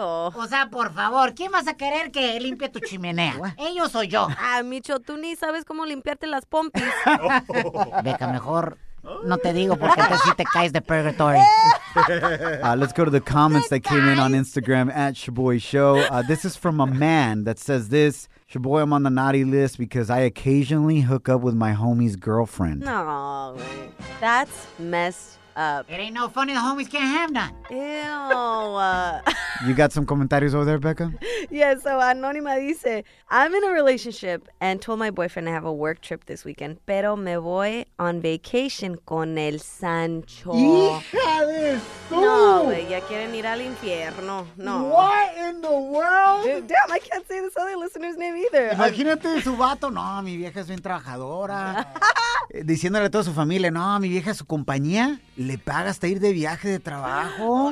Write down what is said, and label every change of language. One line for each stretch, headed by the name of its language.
Spanish: O sea, por favor, ¿quién vas a querer que limpie tu chimenea? ¿Ellos o yo? Micho, tú ni sabes cómo limpiarte las pompis. Beca, mejor no te digo porque entonces sí te caes de purgatory.
English: Let's go to the comments that came in on Instagram at ShaBoy Show. This is from a man that says this. ShaBoy, I'm on the naughty list because I occasionally hook up with my homie's girlfriend. No, that's messed up. It ain't no fun if the homies can't have none. Ew. You got some comentarios over there, Becca? Yeah, so
Spanish: Anonima dice,
English: I'm in a relationship and told my boyfriend I have a work trip this weekend,
Spanish: pero me voy
English: on vacation
Spanish: con el Sancho. ¡Hija de su! No, güey, ya quieren ir al infierno. No.
English: What in the world? Dude, damn, I can't say this other listener's name either.
Spanish: Imagínate su vato. No, mi vieja es bien trabajadora. Diciéndole a toda su familia, no, mi vieja, su compañía, le paga hasta ir de viaje de trabajo.